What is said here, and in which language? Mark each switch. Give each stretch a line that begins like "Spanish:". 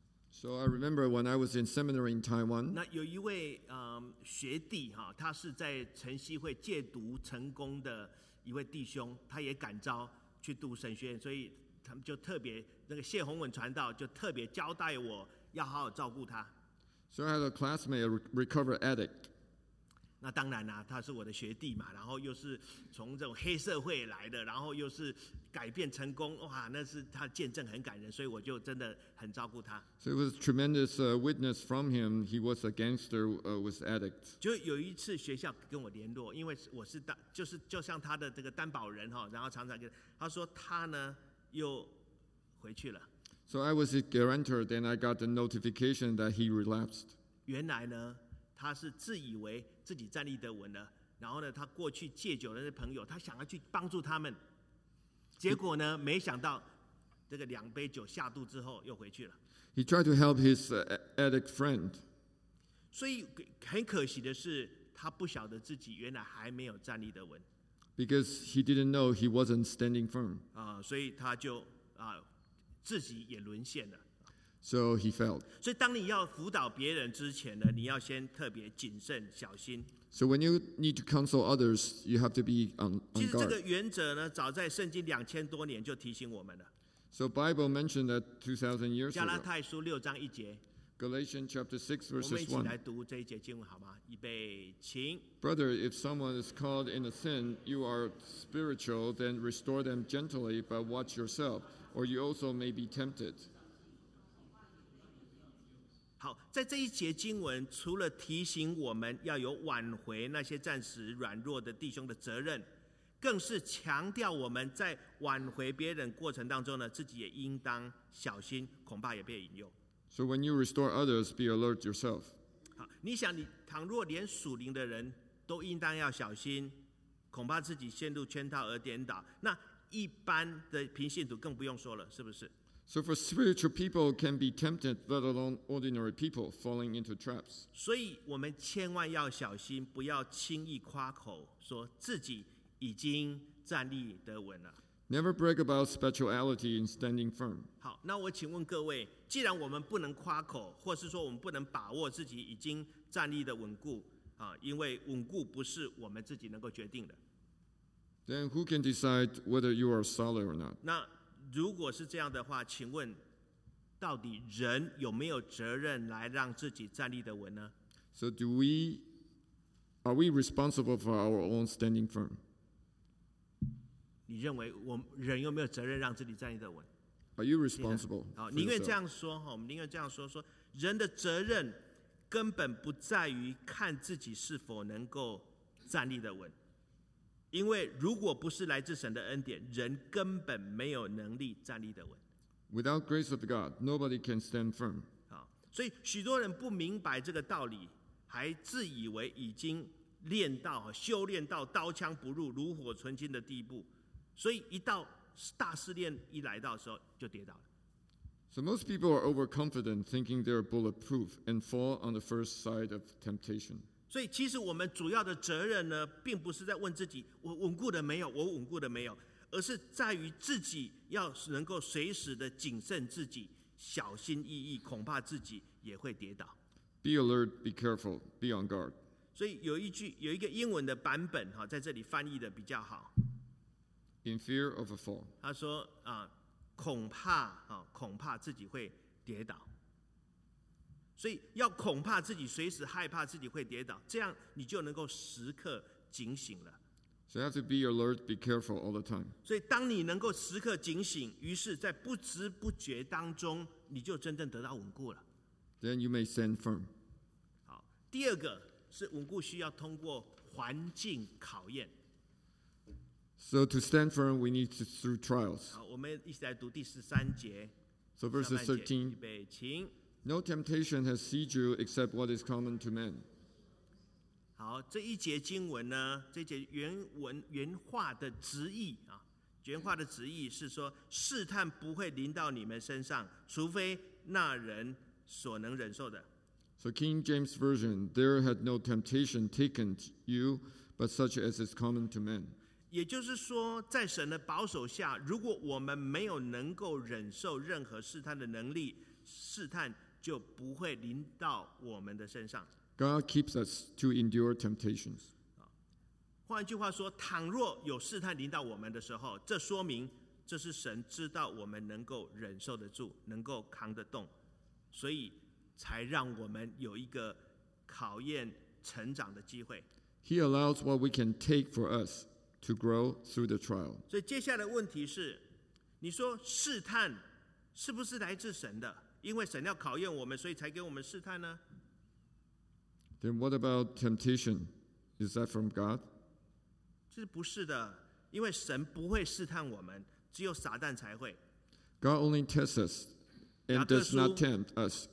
English: So I remember when I was in seminary in Taiwan.
Chinese: 那有一位学弟哈，他是在晨曦会借读成功的一位弟兄，他也感召去读神学院，所以他们就特别那个谢宏文传道就特别交代我要好好照顾他。
English: So I had a classmate, a recovered addict.
Chinese: 那当然啦，他是我的学弟嘛，然后又是从这种黑社会来的，然后又是。改变成功，哇，那是他见证很感人，所以我就真的很照顾他。
English: So it was tremendous witness from him. He was a gangster, was addict.
Chinese: 就有一次学校跟我联络，因为我是就像他的这个担保人，然后常常跟他说他呢又回去了。
English: So I was his guarantor, then I got the notification that he relapsed.
Chinese: 原来呢，他是自以为自己站立得稳了，然后呢，他过去戒酒的那些朋友，他想要去帮助他们。结果呢？没想到，这个两杯酒下肚之后又回去了。
English: He tried to help his addict friend.
Chinese: 所以很可惜的是，他不晓得自己原来还没有站立得稳。
English: Because he didn't know he wasn't standing firm.
Chinese: 所以他就自己也沦陷了。
English: So he failed.
Chinese: 所以当你要辅导别人之前呢，你要先特别谨慎小心。
English: So when you need to counsel others, you have to be on guard.
Chinese: 其实这个原则呢，早在圣经两千多年就提醒我们了。
English: So Bible mentioned that 2,000 years ago.
Chinese: 加拉太书六章一节。
English: Galatians chapter 6 verse 1.
Chinese: 我们一起来读这一节经文好吗？预备，请。
English: Brother, if someone is caught in a sin, you are spiritual, then restore them gently, but watch yourself, or you also may be tempted.
Chinese: 好，在这一节经文，除了提醒我们要有挽回那些暂时软弱的弟兄的责任，更是强调我们在挽回别人过程当中呢，自己也应当小心，恐怕也被引诱。
English: So when you restore others, be alert yourself.
Chinese: 好，你想你倘若连属灵的人都应当要小心，恐怕自己陷入圈套而颠倒，那一般的平信徒更不用说了，是不是？
English: So for spiritual people can be tempted, let alone ordinary people falling into traps.
Chinese: 所以我们千万要小心，不要轻易夸口说自己已经站立得稳了。
English: Never brag about speciality in standing firm.
Chinese: 好，那我请问各位，既然我们不能夸口，或是说我们不能把握自己已经站立的稳固，啊，因为稳固不是我们自己能够决定的。
English: Then who can decide whether you are solid or not?
Chinese: 那如果是这样的话，请问到底人有没有责任来让自己站立的稳呢？
English: So do we, are we responsible for our own standing firm?
Chinese: 你认为我们人有没有责任让自己站立得稳？
English: Are you responsible?
Chinese: 好，宁愿这样说，我们宁愿这样说，说人的责任根本不在于看自己是否能够站立得稳，因为如果不是来自神的恩典，人根本没有能力站立得稳。
English: Without grace of God, nobody can stand firm.
Chinese: 好，所以许多人不明白这个道理，还自以为已经练到、修炼到刀枪不入、炉火纯青的地步。所以一到大试炼一来到的时候就跌倒了。
English: So most people are overconfident, thinking they're bulletproof, and fall on the first side of temptation.
Chinese: 所以其实我们主要的责任呢，并不是在问自己我稳固的没有，我稳固的没有，而是在于自己要能够随时的谨慎自己，小心翼翼，恐怕自己也会跌倒。
English: Be alert, be careful, be on guard.
Chinese: 所以有一个英文的版本哈，在这里翻译的比较好。
English: In fear of a fall.
Chinese: 他说啊，恐怕啊，恐怕自己会跌倒。所以要恐怕自己，随时害怕自己会跌倒，这样你就能够时刻警醒了。
English: So you have to be alert, be careful all the time.
Chinese: 所以当你能够时刻警醒，于是在不知不觉当中，你就真正得到稳固了。
English: Then you may stand firm.
Chinese: 好，第二个是稳固需要通过环境考验。
English: So to stand firm, we need to through trials.
Chinese: 好，我们一起来读第十三节。
English: So verses 13.
Chinese: 预备，请。
English: No temptation has seized you except what is common to man.
Chinese: 好，这一节经文呢，这节原文原话的直译啊，原话的直译是说，试探不会临到你们身上，除非那人所能忍受的。
English: So King James Version, there had no temptation taken you, but such as is common to man.
Chinese: 也就是说，在神的保守下，如果我们没有能够忍受任何试探的能力，试探就不会临到我们的身上。
English: God keeps us to endure temptations.
Chinese: 换句话说，倘若有试探临到我们的时候，这说明这是神知道我们能够忍受得住，能够扛得动，所以才让我们有一个考验成长的机会。
English: He allows what we can take for us. To grow through the trial.
Chinese: 所以接下来的问题是，你说试探是不是来自神的？因为神要考验我们，所以才给我们试探呢？
English: Then what about temptation? Is that from God?
Chinese: 这不是的，因为神不会试探我们，只有撒旦才会。
English: God only tests us and does not tempt us.